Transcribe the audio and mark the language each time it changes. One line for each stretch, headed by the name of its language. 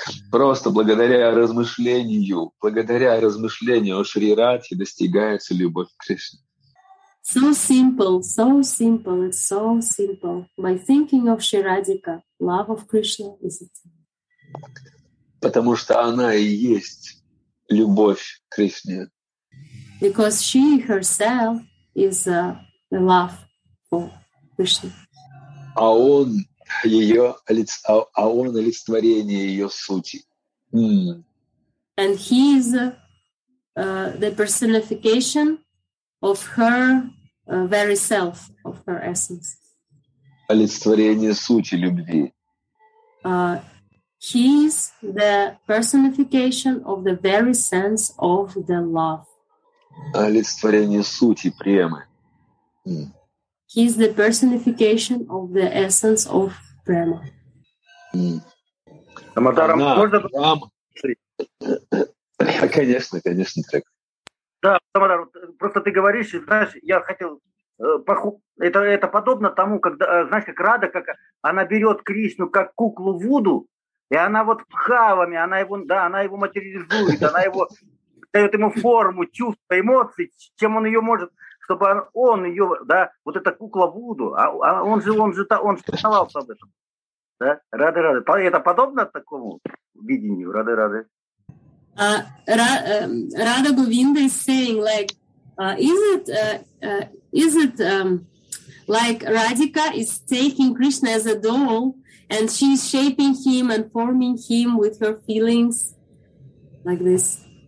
Russian: Просто благодаря размышлению о Шри Радхе достигается любовь к Кришне.
English: So simple. By thinking of Shri Radhika, love of Krishna is attained.
Russian: Потому что она и есть любовь к Кришне.
English: Because she herself is the love for Krishna.
Russian: А он олицетворение ее сути.
English: And he is the personification of her very self, of her essence.
Russian: Олицетворение сути любви.
English: He is the personification of the very sense of the love.
Russian: Олицетворение сути премы.
English: He is the personification of the essence of prema.
Russian: Амадарам, можно? Конечно, так. Да, Амадар, просто ты говоришь, и знаешь, я хотел это подобно тому, когда, знаешь, как Рада, как она берет Кришну как куклу Вуду, и она вот бхавами, она его материализует, она его дает ему форму, чувства, эмоции, чем он ее может, чтобы он ее, да, вот эта кукла Вуду, а он же сомневался об этом. Да? Рады. Это подобно такому видению, рады.
English: Radha Govinda is saying like is it like Radhika is taking Krishna as a doll and she's shaping him and forming him with her feelings like this?